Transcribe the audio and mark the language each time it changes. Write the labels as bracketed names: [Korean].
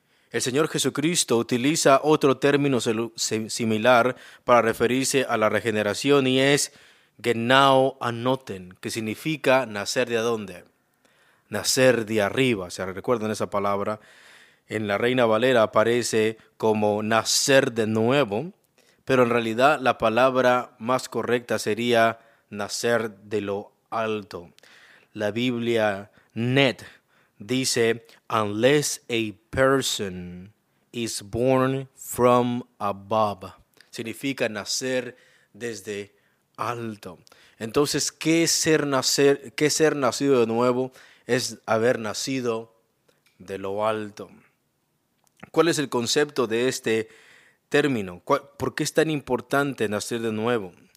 [Spanish] El Señor Jesucristo utiliza otro término similar para referirse a la regeneración y es genao anoten, que significa nacer de dónde. Nacer de arriba. ¿Se recuerdan esa palabra? En la Reina Valera aparece como nacer de nuevo. Pero en realidad la palabra más correcta sería nacer de lo alto. La Biblia NET dice, [English] unless a person is born from above. [Spanish] Significa nacer desde alto. Entonces, ¿qué es ser nacido de nuevo? Es haber nacido de lo alto. ¿Cuál es el concepto de este término? ¿Por qué es tan importante nacer de nuevo?